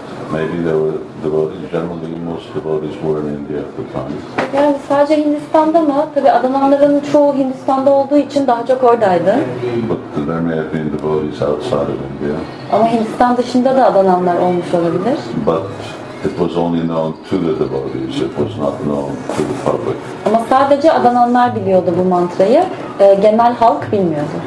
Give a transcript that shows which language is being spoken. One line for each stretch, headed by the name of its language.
English: Maybe there were devotees, generally most devotees were in India at the time.
Turkish: Yani sadece Hindistan'da mı? Tabii adananların çoğu Hindistan'da olduğu için daha çok oradaydı.
English: But there may have been devotees outside of India.
Turkish: Ama Hindistan dışında da adananlar olmuş olabilir.
English: But it was only known to the devotees, it was not known to the public.
Turkish: Ama sadece adananlar biliyordu bu mantrayı, genel halk bilmiyordu.